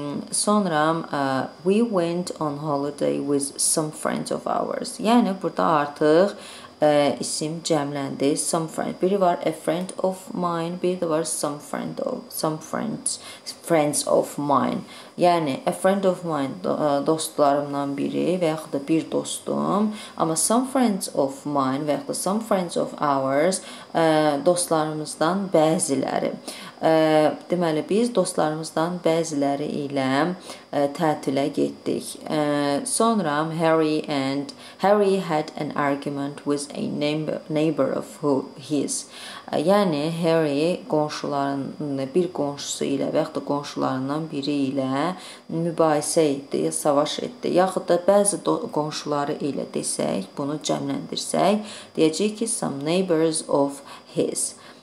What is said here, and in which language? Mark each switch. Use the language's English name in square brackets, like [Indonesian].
[English] Sonra we went on holiday with some friends of ours. [Azerbaijani] Yəni burada artıq isim cəmləndi. Some friend. Biri var [English] a friend of mine, [Azerbaijani] biri də var [English] some friends of mine. [Azerbaijani] Yəni [English] a friend of mine [Azerbaijani] dostlarımdan biri və yaxud da bir dostum, amma [English] some friends of mine [Azerbaijani] və yaxud da [English] some friends of ours [Azerbaijani] dostlarımızdan bəziləri. Deməli biz dostlarımızdan bəziləri ilə tətilə getdik. [English] Sonra Harry had an argument with a neighbor of his. [Azerbaijani] Yəni Harry bir qonşusu ilə və yaxud da qonşularından biri ilə mübahisə etdi, savaş etdi. Yaxud da bəzi qonşuları ilə desək, bunu cəmləndirsək, deyəcək ki, [English] some neighbors of his.